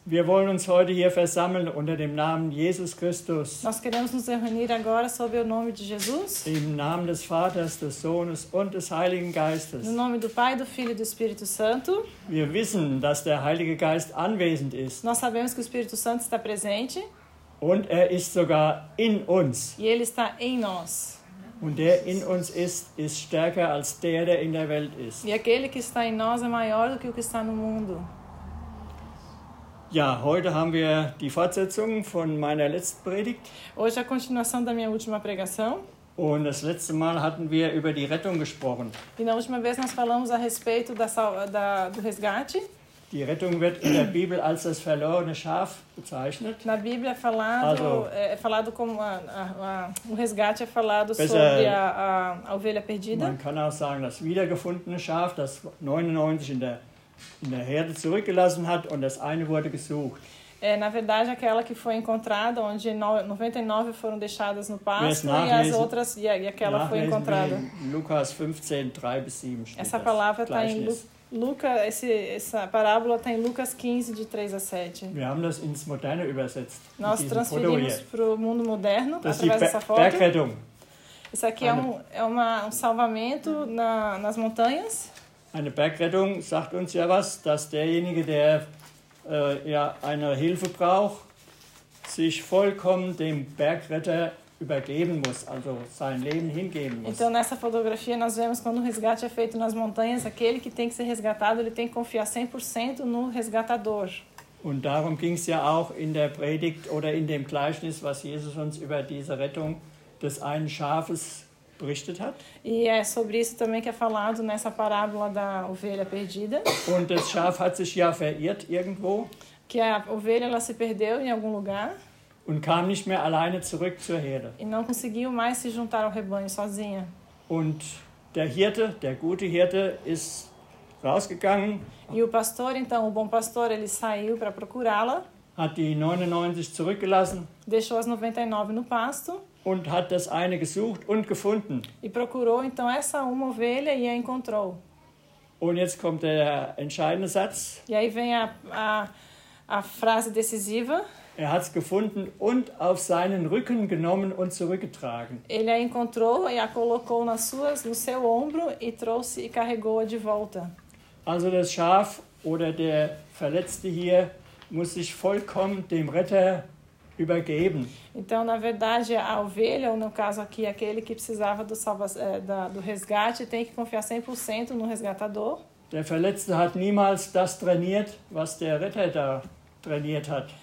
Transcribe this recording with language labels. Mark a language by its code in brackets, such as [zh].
[de] Wir wollen uns heute hier versammeln unter dem Namen Jesus Christus. [pt] Nós queremos nos reunir agora sob o nome de Jesus. [de] Im Namen des Vaters, des Sohnes und des Heiligen Geistes. [pt] No nome do Pai, do Filho e do Espírito Santo. [de] Wir wissen, dass der Heilige Geist anwesend ist. [pt] Nós sabemos que o Espírito Santo está presente. [de] Und er ist sogar in uns. [pt] E ele está em nós. [de] Und der in uns ist, ist stärker als der, der in der Welt ist. [pt] E aquele que está em nós é maior do que o que está no mundo. [de] Ja, heute haben wir die Fortsetzung von meiner letzten Predigt. [pt] Hoje é a continuação da minha última pregação. [de] Und das letzte Mal hatten wir über die Rettung gesprochen. [pt] E na última vez nós falamos a respeito do resgate. [de] Die Rettung wird in der Bibel als das verlorene Schaf bezeichnet. [pt] Na Bíblia é falado como o resgate é falado sobre a ovelha perdida. [de] Man kann auch sagen, das wiedergefundene Schaf, das 99 in der Herde zurückgelassen hat und das eine wurde gesucht. [pt] É, na verdade, aquela que foi encontrada, onde 99 foram deixadas no pasto e aquela foi encontrada. [de] Lucas 15, 3-7. [pt] Essa palavra está em essa parábola está em Lucas 15, de 3 a 7. [de] Wir haben das ins Moderne übersetzt. [pt] Nós transferimos para o mundo moderno através dessa foto. [de] Bergrettung. [pt] Isso aqui é um salvamento nas montanhas. [de] Eine Bergrettung sagt uns ja was, dass derjenige, der eine Hilfe braucht, sich vollkommen dem Bergretter übergeben muss, also sein Leben hingeben muss. [pt] Então nessa fotografia nós vemos quando o resgate é feito nas montanhas, aquele que tem que ser resgatado, ele tem que confiar 100% no resgatador. [de] Und darum ging es ja auch in der Predigt oder in dem Gleichnis, was Jesus uns über diese Rettung des einen Schafes berichtet hat. [pt] E é sobre isso também que é falado nessa parábola da ovelha perdida. [de] Und das Schaf hat sich ja verirrt irgendwo. [pt] Que a ovelha ela se perdeu em algum lugar. [de] Und kam nicht mehr alleine zurück zur Herde. [pt] E não conseguiu mais se juntar ao rebanho sozinha. [de] Und der Hirte, der gute Hirte, ist rausgegangen. [pt] E o pastor, então, o bom pastor, ele saiu para procurá-la. [de] Hat die 99 zurückgelassen. [pt] Deixou as 99 no pasto. [de] Und hat das eine gesucht und gefunden. [pt] E procurou, então, essa uma ovelha e a encontrou. [de] Und jetzt kommt der entscheidende Satz. [pt] E aí vem a frase decisiva. [de] Er hat's gefunden und auf seinen Rücken genommen und zurückgetragen. [pt] Ele a encontrou e a colocou no seu ombro e trouxe e carregou-a de volta. [de] Also das Schaf oder der Verletzte hier muss sich vollkommen dem Retter übergeben. [pt] Então, na verdade, a ovelha, ou no caso aqui, aquele que precisava do resgate, tem que confiar 100% no resgatador. [de] Der Verletzte hat niemals das trainiert, was der Retter da trainiert hat.